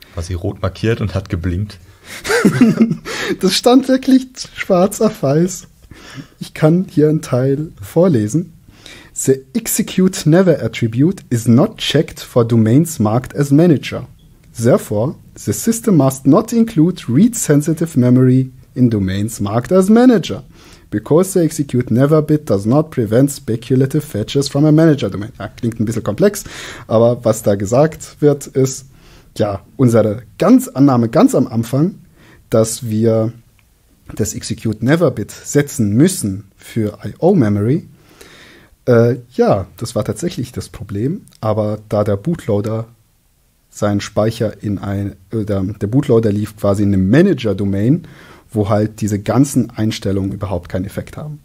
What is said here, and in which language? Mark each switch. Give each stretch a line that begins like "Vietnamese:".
German: War sie rot markiert und hat geblinkt? Das stand wirklich schwarz auf weiß. Ich kann hier einen Teil vorlesen.
English: The execute never attribute is not checked for domains marked as manager. Therefore, the system must not include read-sensitive memory in domains marked as manager. Because the execute never bit does not prevent speculative fetches from a manager domain.
German: Ja, klingt ein bisschen komplex, aber was da gesagt wird, ist, ja, unsere Annahme ganz am Anfang, dass wir das execute never bit setzen müssen für I.O. Memory, ja, das war tatsächlich das Problem, aber da der Bootloader seinen Speicher in ein, der Bootloader lief quasi in eine manager domain, wo halt diese ganzen Einstellungen überhaupt keinen Effekt haben.